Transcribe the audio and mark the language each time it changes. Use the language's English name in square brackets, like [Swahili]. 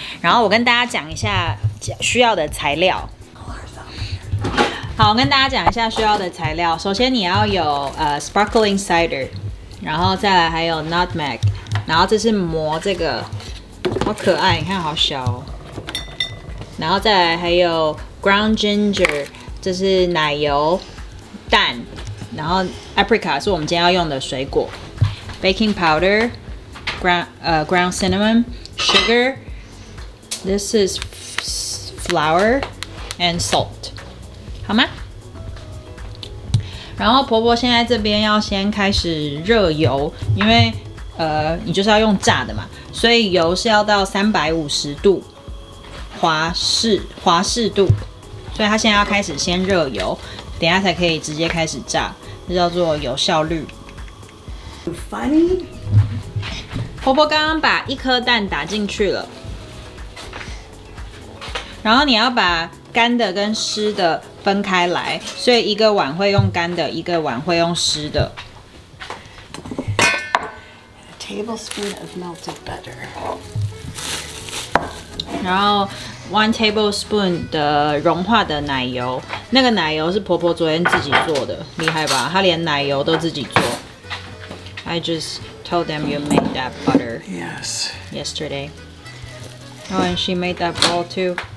[Chinese] 然后我跟大家讲一下需要的材料。好，我跟大家讲一下需要的材料。首先你要有sparkling cider， 然后再来还有 nutmeg， 然后这是磨这个，好可爱，你看好小哦。然后再来还有 ground ginger， 这是奶油、蛋，然后 apricot 是我们今天要用的水果 ，baking powder， ground cinnamon， sugar， [English] this is flour and salt， [Chinese] 好吗？然后婆婆现在这边要先开始热油，因为你就是要用炸的嘛，所以油是要到350度。华氏度，所以他现在要开始先热油，等一下才可以直接开始炸，这叫做有效率。 [English] Funny， [Chinese] 婆婆刚刚把一颗蛋打进去了，然后你要把干的跟湿的分开来，所以一个碗会用干的，一个碗会用湿的。 [English] A tablespoon of melted butter。 [Chinese] 然后 one tablespoon 的融化的奶油，那个奶油是婆婆昨天自己做的，厉害吧？她连奶油都自己做。 [English] I just told them you made that butter. Yes. Yesterday. Oh, and she made that ball too.